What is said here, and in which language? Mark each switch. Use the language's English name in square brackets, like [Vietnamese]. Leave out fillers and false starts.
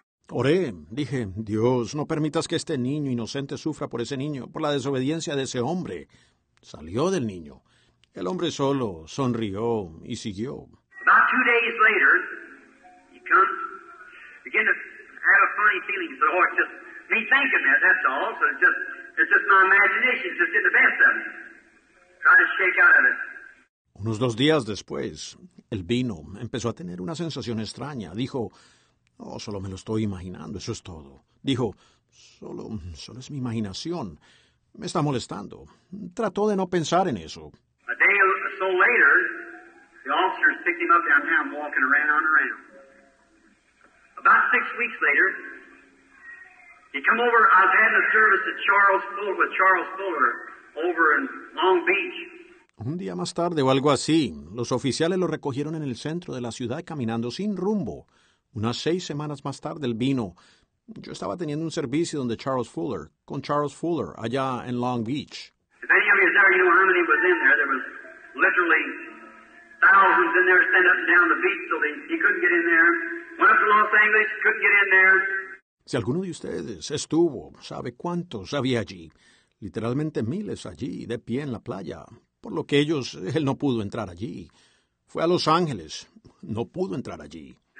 [Spanish] Oré, dije, Dios, no permitas que este niño inocente sufra por ese niño, por la desobediencia de ese hombre. Salió del niño. El hombre solo sonrió y siguió. [English] About 2 days later, he comes, begin to have a funny feeling. He said, oh, it's just me thinking that, that's all. So it's just my imagination, it's just in the best of me. Try to shake out of it. [Spanish] Unos 2 días después, él vino, empezó a tener una sensación extraña. Dijo, oh, solo me lo estoy imaginando, eso es todo. Dijo, solo es mi imaginación. Me está molestando. Trató de no pensar en eso. [English] A day or so later, the officers picked him up downtown, walking around and around. About 6 weeks later, he come over, I was having a service at Charles Fuller, with Charles Fuller, over in Long Beach. [Spanish] Un día más tarde o algo así, los oficiales lo recogieron en el centro de la ciudad caminando sin rumbo. Unas 6 semanas más tarde él vino. Yo estaba teniendo un servicio donde con Charles Fuller, allá en Long Beach. [English] If any of you is there, you know how many was in there. There was literally thousands in there standing up and down the beach, so he couldn't get in there. Went up to Los Angeles, couldn't get in there. [Spanish] Si alguno de ustedes estuvo, sabe cuántos había allí. Literalmente miles allí, de pie en la playa. Por lo que él no pudo entrar allí. Fue a Los Ángeles. No pudo entrar allí.